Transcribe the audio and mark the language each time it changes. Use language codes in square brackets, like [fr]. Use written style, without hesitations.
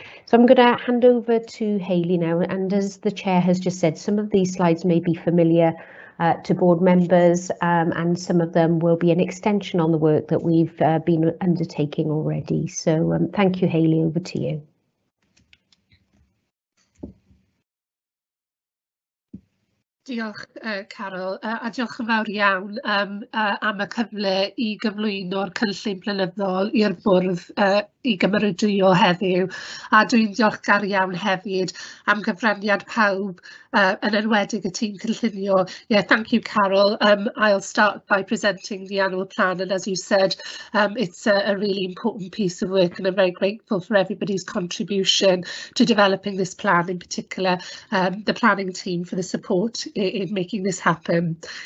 [en] So I'm going to hand over to Hayley now, and as the chair has just said, some of these slides may be familiar to board members, and some of them will be an extension on the work that we've been undertaking already. So thank you, Hayley, over to you. [cy] Diolch, Carol, a diolch yn fawr iawn am y cyfle I gyflwyno'r cynllun blynyddol i'r bwrdd I gymerydio heddiw. A dwi'n diolchgar iawn hefyd am gyfraniad pawb yn enwedig y tîm cynllunio. [en] Yeah, thank you, Carol. I'll start by presenting the annual plan, and as you said, it's a really important piece of work, and I'm very grateful for everybody's contribution to developing this plan, in particular the planning team for the support in making this happen.